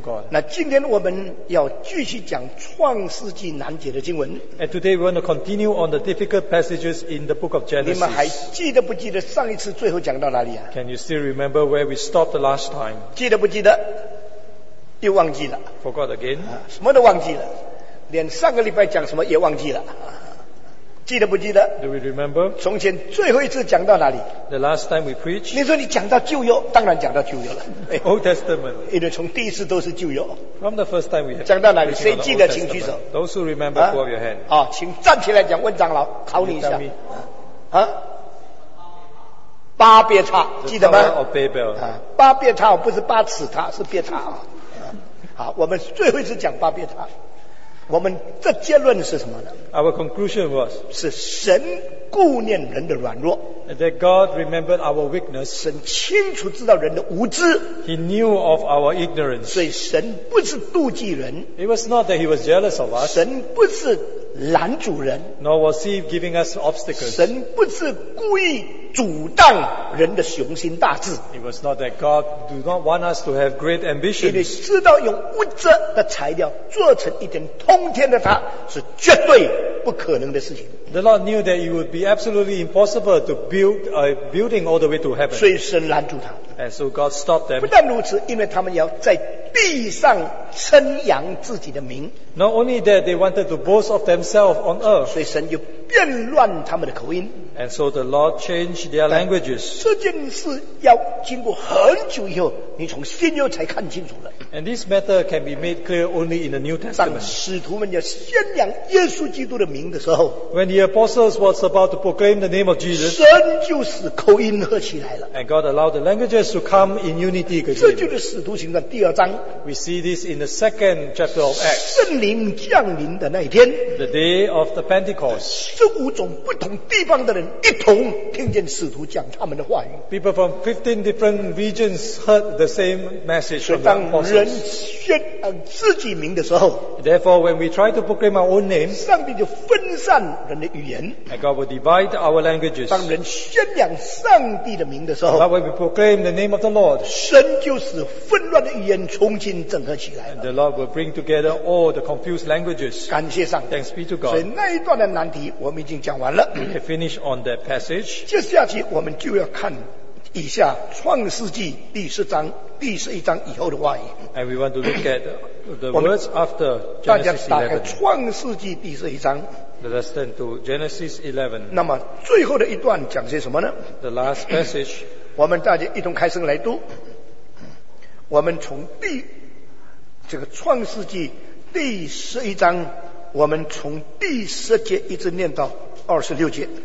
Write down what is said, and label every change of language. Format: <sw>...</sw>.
<zh>Now, 今天我们要继续讲创世纪难解的经文。</zh> <en>And today we want to continue on the difficult passages in the book of Genesis.</en> <zh>你们还记得不记得上一次最后讲到哪里啊？</zh> <en>Can you still remember where we stopped the last time?</en> <zh>记得不记得？又忘记了。</zh> <en>Forgot again?</en> <zh>什么都忘记了，连上个礼拜讲什么也忘记了。记得不记得？</zh> <en>Do we remember?</en> <zh>从前最后一次讲到哪里？</zh> <en>The last time we preached?</en> <zh>你说你讲到旧约，当然讲到旧约了。</zh> <en>Old Testament.</en> <zh>因为从第一次都是旧约。</zh> <en>From the first time we have</en> <zh>讲到哪里？谁记得请举手。</zh> <en>Those who remember, pull up your hand.</en> <zh>啊，请站起来讲，问长老，考你一下。啊？巴别塔，记得吗？</zh> <en>The Tower of Babel.</en> <zh>啊，巴别塔不是巴尺塔，是别塔啊。好，我们最后一次讲巴别塔，我们的结论是什么呢？</zh> <en>Our conclusion was</en> <zh>是神顾念人的软弱。</zh> <en>That God remembered our weakness.</en> <zh>神清楚知道人的无知。</zh> <en>He knew of our ignorance.</en> <zh>所以神不是妒忌人。</zh> <en>It was not that he was jealous of us.</en> <zh>神不是拦阻人。</zh> <en>Nor was he giving us obstacles.</en> <zh>神不是故意阻挡人的雄心大志。</zh> <en>It was not that God do not want us to have great ambitions.</en> <zh>因为知道用物质的材料做成一点通天的塔是绝对不可能的事情。</zh> <en>The Lord knew that it would be absolutely impossible to build a building all the way to heaven.</en> <zh>所以神拦住他。</zh> <en>And so God stopped them.</en> <zh>不但如此，因为他们要在地上称扬自己的名。</zh> <en>Not only that, they wanted to boast of themselves on earth.</en> <zh>所以神就变乱他们的口音。</zh> <en>And so the Lord changed their languages.</en> <zh>这件事要经过很久以后，你从新约才看清楚了。</zh> <en>And this matter can be made clear only in the New Testament.</en> <zh>当使徒们要宣扬耶稣基督的名的时候，</zh> <en>When the apostles was about to proclaim the name of Jesus,</en> <zh>神就使口音合起来了。</zh> <en>And God allowed the languages to come in unity again.</en> <zh>这就是使徒行传第二章。</zh> <en>We see this in the second chapter of Acts.</en> <zh>圣灵降临的那一天，</zh> <en>The day of the Pentecost.</en> <zh>十五种不同地方的人一同听见使徒讲他们的话语。</zh> <en>People from 15 different regions heard the same message from the apostles.</en> <zh>人宣扬自己名的时候，</zh> <en>Therefore, when we try to proclaim our own name,</en> <zh>上帝就分散人的语言。</zh> <en>And God will divide our languages.</en> <zh>当人宣扬上帝的名的时候，</zh> <en>But when we proclaim the name of the Lord,</en> <zh>神就使纷乱的语言重新整合起来了。</zh> <en>And the Lord will bring together all the confused languages.</en> <zh>感谢上帝。</zh> <en>Thanks be to God.</en> <zh>所以那一段的难题我们已经讲完了。</zh> <en>We have finished on that passage.</en> <zh>接下去我们就要看以下创世纪第十章第十一章以后的话语。</zh> <en>And we want to look at the words after Genesis 11.</en> <zh>大家打开创世纪第十一章。</zh> <en>Let us turn to Genesis 11.</en> <zh>那么最后的一段讲些什么呢？</zh> <en>The last passage.</en> <zh>我们大家一同开声来读。我们从第这个创世纪第十一章，我们从第十节一直念到二十六节。</zh>